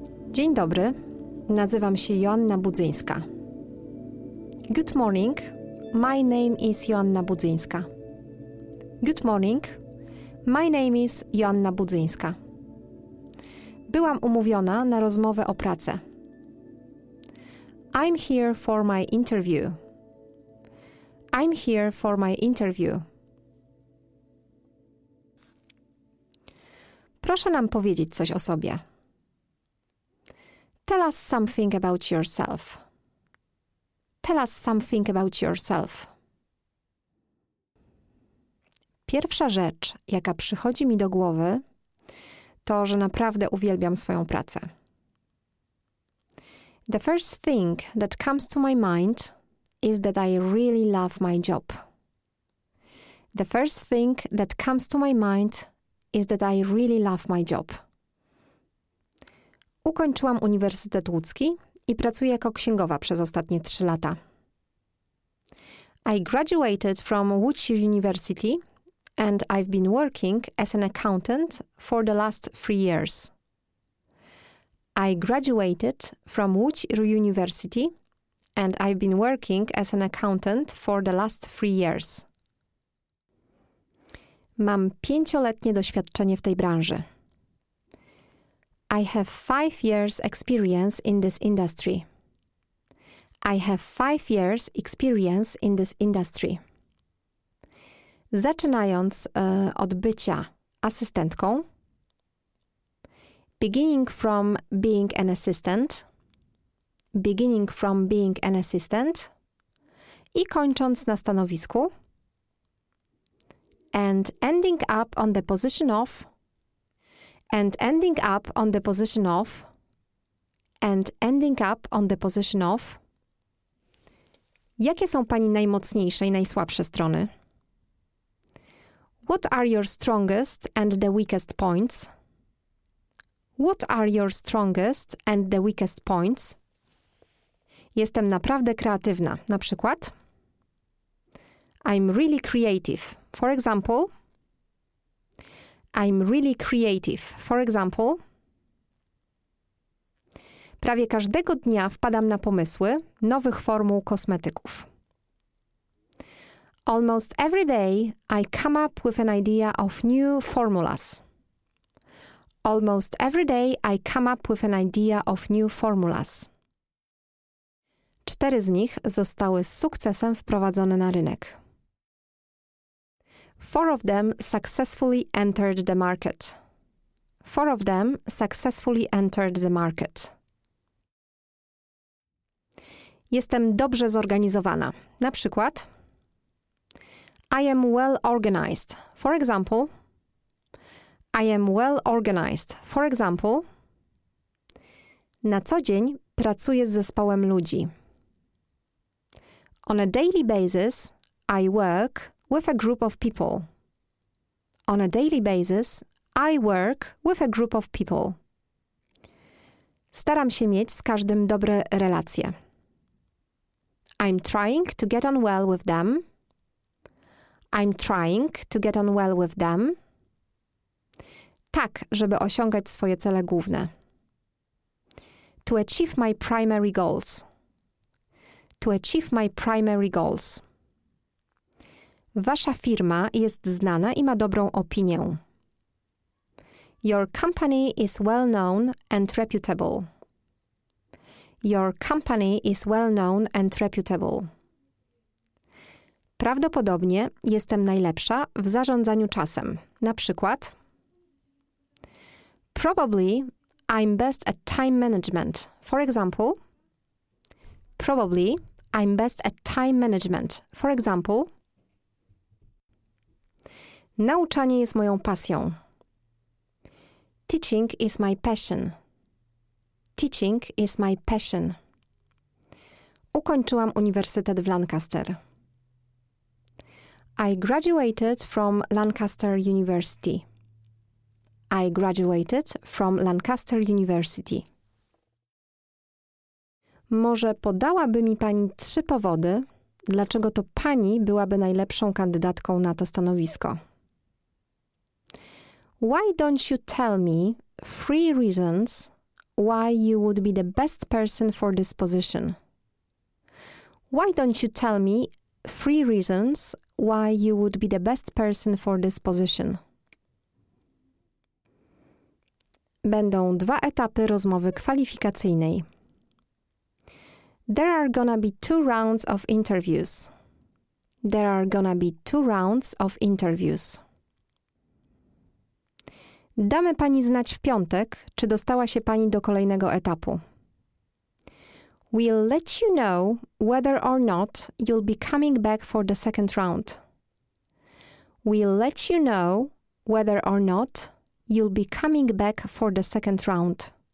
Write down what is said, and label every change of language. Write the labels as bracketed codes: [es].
[pl] Dzień dobry, nazywam się Joanna Budzyńska. [en] Good morning, my name is Joanna Budzyńska. Good morning, my name is Joanna Budzyńska. [pl] Byłam umówiona na rozmowę o pracę. [en] I'm here for my interview. I'm here for my interview. [pl] Proszę nam powiedzieć coś o sobie. [en] Tell us something about yourself. Tell us something about yourself. [pl] Pierwsza rzecz, jaka przychodzi mi do głowy, to, że naprawdę uwielbiam swoją pracę. [en] The first thing that comes to my mind is that I really love my job. The first thing that comes to my mind is that I really love my job. [pl] Ukończyłam Uniwersytet Łódzki i pracuję jako księgowa przez ostatnie 3 lata. [en] I graduated from Woods University and I've been working as an accountant for the last 3 years. I graduated from Woods University and I've been working as an accountant for the last 3 years. [pl] Mam 5-letnie doświadczenie w tej branży. [en] I have 5 years experience in this industry. I have 5 years experience in this industry. [pl] Zaczynając od bycia asystentką. [en] Beginning from being an assistant. Beginning from being an assistant. [pl] I kończąc na stanowisku. [en] And ending up on the position of. And ending up on the position of. And ending up on the position of. [pl] Jakie są Pani najmocniejsze i najsłabsze strony? [en] What are your strongest and the weakest points? What are your strongest and the weakest points? [pl] Jestem naprawdę kreatywna, na przykład. [en] I'm really creative, for example. I'm really creative, for example. [pl] Prawie każdego dnia wpadam na pomysły nowych formuł kosmetyków. [en] Almost every day I come up with an idea of new formulas. Almost every day I come up with an idea of new formulas. [pl] 4 z nich zostały z sukcesem wprowadzone na rynek. [en] 4 of them successfully entered the market. 4 of them successfully entered the market. [pl] Jestem dobrze zorganizowana. Na przykład. [en] I am well organized. For example. I am well organized. For example. [pl] Na co dzień pracuję z zespołem ludzi. [en] On a daily basis, I work with a group of people. On a daily basis, I work with a group of people. [pl] Staram się mieć z każdym dobre relacje. [en] I'm trying to get on well with them. I'm trying to get on well with them. [pl] Tak, żeby osiągać swoje cele główne. [en] To achieve my primary goals. To achieve my primary goals. [pl] Wasza firma jest znana i ma dobrą opinię. [en] Your company is well known and reputable. Your company is well known and reputable. [pl] Prawdopodobnie jestem najlepsza w zarządzaniu czasem. Na przykład. [en] Probably I'm best at time management. For example. Probably I'm best at time management. For example. [pl] Nauczanie jest moją pasją. [en] Teaching is my passion. Teaching is my passion. [pl] Ukończyłam Uniwersytet w Lancaster. [en] I graduated from Lancaster University. I graduated from Lancaster University. [pl] Może podałaby mi pani trzy powody, dlaczego to pani byłaby najlepszą kandydatką na to stanowisko? [en] Why don't you tell me three reasons why you would be the best person for this position? Why don't you tell me three reasons why you would be the best person for this position? [pl] Będą dwa etapy rozmowy kwalifikacyjnej. [en] There are gonna be two rounds of interviews. There are gonna be two rounds of interviews. [pl] Damy pani znać w piątek, czy dostała się pani do kolejnego etapu. [en] We'll let you know whether or not you'll be coming back for the second round. We'll let you know whether or not you'll be coming back for the second round.